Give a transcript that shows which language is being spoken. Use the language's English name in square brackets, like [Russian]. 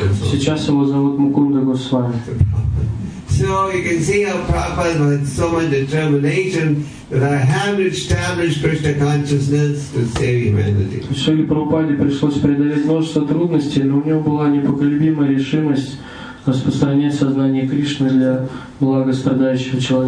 [Russian] Сейчас его зовут Мукунда Госвами. [English] So you can see how Prabhupada had so much determination that I have to establish Krishna consciousness to save humanity. [Russian] Шриле Прабхупаде пришлось преодолеть множество трудностей, но у него была непоколебимая решимость распространять сознание Кришны для блага страдающего